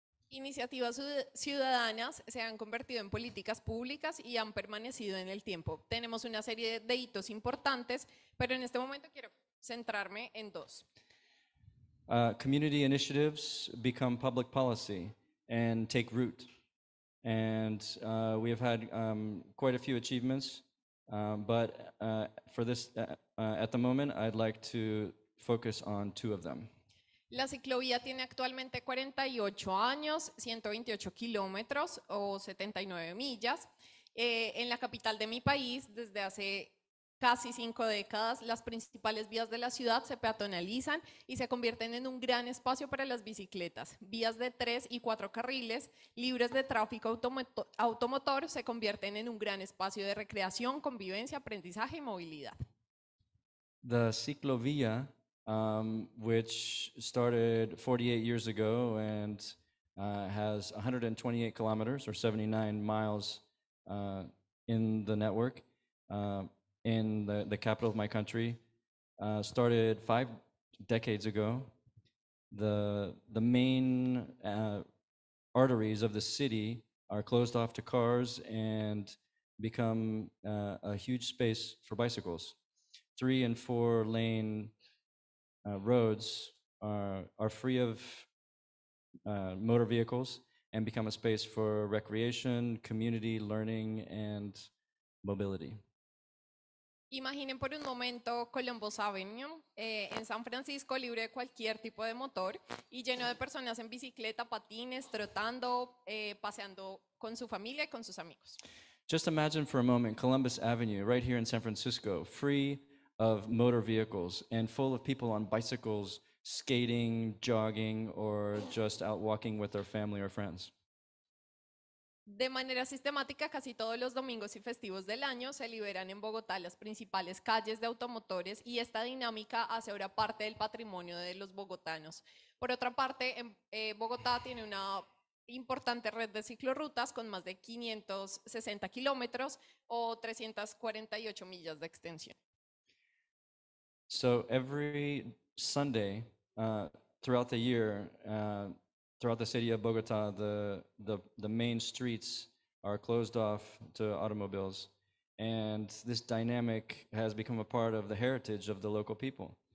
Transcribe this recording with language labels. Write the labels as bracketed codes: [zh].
[es] Iniciativas ciudadanas se han convertido en políticas públicas y han permanecido en el tiempo. Tenemos una serie de hitos importantes, pero en este momento quiero centrarme en dos. [en] Community initiatives become public policy and take root. And we have had quite a few achievements. At the moment, I'd like to focus on two of them. [es] La ciclovía tiene actualmente 48 años, 128 kilómetros o 79 millas. En la capital de mi país, desde hace casi 5 décadas, las principales vías de la ciudad se peatonalizan y se convierten en un gran espacio para las bicicletas. Vías de 3 y 4 carriles, libres de tráfico automotor, se convierten en un gran espacio de recreación, convivencia, aprendizaje y movilidad. [en] The ciclovía, which started 48 years ago and has 128 kilometers or 79 miles in the network, in the capital of my country, started 5 decades ago. The main arteries of the city are closed off to cars and become a huge space for bicycles. 3 and 4 lane roads are free of motor vehicles and become a space for recreation, community, learning, and mobility. [es] Imaginen por un momento Columbus Avenue en San Francisco, libre de cualquier tipo de motor y lleno de personas en bicicleta, patines, trotando, paseando con su familia y con sus amigos. [en] Just imagine for a moment Columbus Avenue right here in San Francisco, free of motor vehicles and full of people on bicycles, skating, jogging, or just out walking with their family or friends. [es] De manera sistemática, casi todos los domingos y festivos del año se liberan en Bogotá las principales calles de automotores y esta dinámica hace ahora parte del patrimonio de los bogotanos. Por otra parte, en, Bogotá tiene una importante red de ciclorrutas con más de 560 kilómetros o 348 millas de extensión. [en] So every Sunday throughout the year, throughout the city of Bogota, the main streets are closed off to automobiles, and this dynamic has become a part of the heritage of the local people.